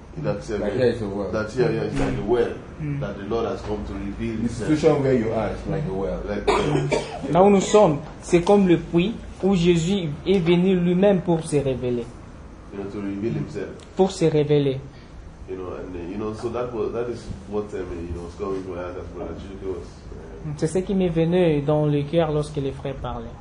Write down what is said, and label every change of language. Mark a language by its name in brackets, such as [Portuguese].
[English] That here is like the well that the Lord has come to reveal himself. The situation where you are is like a well. Like, [French] là où nous sommes, c'est comme le puits où Jésus est venu lui-même pour se révéler. [English] You know, to reveal himself. [French] Pour se révéler. [English] you know, and you know, so that was that is what you know was going to my heart as Brother Chidike was. [French] C'est ce qui m'est venu dans le cœur lorsque les frères parlaient.